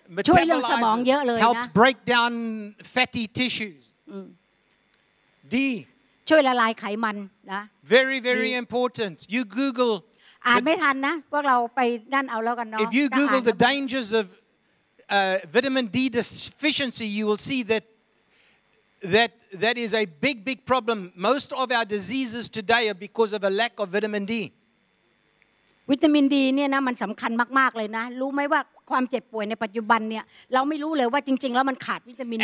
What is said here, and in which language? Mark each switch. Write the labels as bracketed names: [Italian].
[Thai] ช่วยเรื่องสมองเยอะเลยนะ [English] Helps break down fatty tissues. D [Thai] ช่วยละลายไขมันนะ [English] Very very important you google [Thai] อ่านไม่ทันนะพวกเราไปนั่นเอาแล้วกันเนาะ [English] If you google the dangers of vitamin D deficiency you will see that is a big problem most of our diseases today are because of a lack of vitamin D [Thai] วิตามิน D เนี่ยนะมันสําคัญมากๆเลยนะรู้มั้ยว่าความเจ็บป่วยในปัจจุบันเนี่ยเราไม่รู้เลยว่าจริงๆแล้วมันขาดวิตามิน D เน